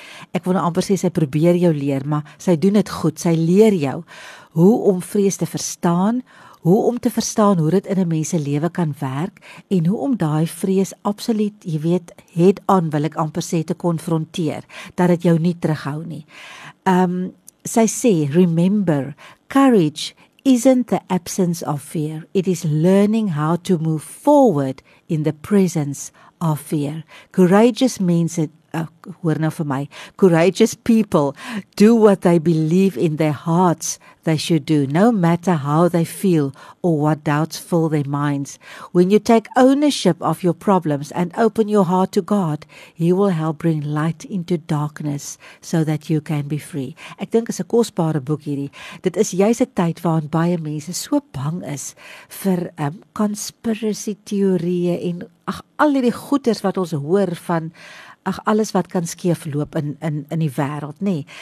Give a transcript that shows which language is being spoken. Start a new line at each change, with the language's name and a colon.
Afrikaans: Ek wil nou amper sê, sy probeer jou leer, maar sy doen het goed, sy leer jou hoe om vrees te verstaan, hoe om te verstaan hoe dit in 'n mens se lewe kan werk en hoe om daai vrees absoluut, jy weet, het aan wil ek amper sê te konfronteer, dat het jou nie terughou nie.
English: Sy sê, remember, courage isn't the absence of fear. It is learning how to move forward in the presence of fear. Courageous means it,
Afrikaans: hoor nou vir my,
English: courageous people do what they believe in their hearts they should do, no matter how they feel or what doubts fill their minds. When you take ownership of your problems and open your heart to God, He will help bring light into darkness so that you can be free.
Afrikaans: Ek dink is 'n kosbare boek hierdie. Dit is juist 'n tyd waarin baie mense so bang is vir conspiracy teorieë en al hierdie goeders wat ons hoor van alles wat kan skeef loop in die wereld, nee.